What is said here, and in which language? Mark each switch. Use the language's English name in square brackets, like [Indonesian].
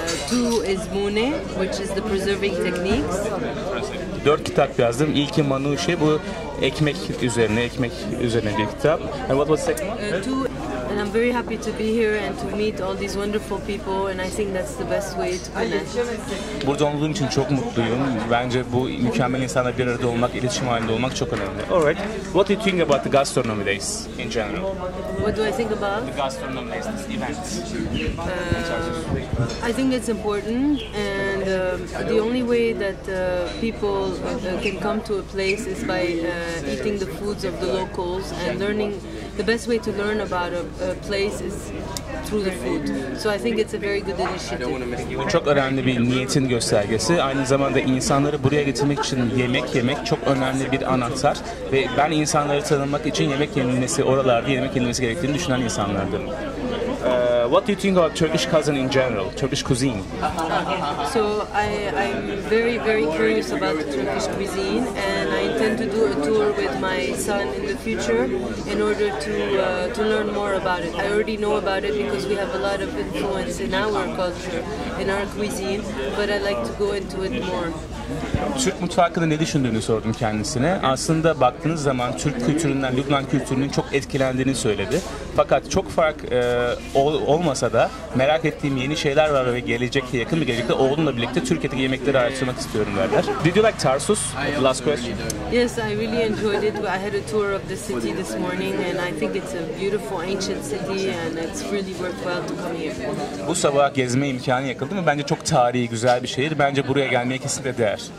[English] Two is Mune, which is the preserving techniques. [Turkish] 4 kitap yazdım. İlki Manuşe, bu ekmek üzerine bir kitap. [English] And what was the second one? And I'm very happy to be here and to meet all these wonderful people, and I think that's the best way to connect. [Turkish] Burada olduğum için çok mutluyum. Bence bu mükemmel insanla bir arada olmak, iletişim halinde olmak çok önemli. [English] All right. What do you think about the gastronomy days in general? What do I think about? The gastronomy days, this event. I think it's important, and the only way that people can come to a place is by eating the foods of the locals and learning. The best way to learn about a place is through the food. So I think it's a very good initiative. [Turkish] Bu çok önemli bir niyetin göstergesi. Aynı zamanda insanları buraya getirmek için yemek çok önemli bir anahtar. Ve ben insanları tanımak için oralarda yemek yenilmesi gerektiğini düşünen insanlardım. [English] What do you think about Turkish cuisine in general, Turkish cuisine? So I'm very, very curious about Turkish cuisine, and I intend to do a tour with my son in the future in order to learn more about it. I already know about it because we have a lot of influence in our culture, in our cuisine, but I'd like to go into it more. [Turkish] Türk mutfağı hakkında ne düşündüğünü sordum kendisine. Aslında baktığınız zaman Türk kültüründen, Lübnan kültürünün çok etkilendiğini söyledi. Fakat çok fark olmasa da merak ettiğim yeni şeyler var ve gelecekte, yakın bir gelecekte oğlumla birlikte Türkiye'deki yemekleri araştırmak istiyorum derler. [English] Did you like Tarsus? Last question. Yes, I really enjoyed it. I had a tour of the city this morning and I think it's a beautiful ancient city and it's really worthwhile to come here. [Turkish] Bu sabah gezme imkanı yakaladım ve bence çok tarihi, güzel bir şehir. Bence buraya gelmeye kesinlikle değer.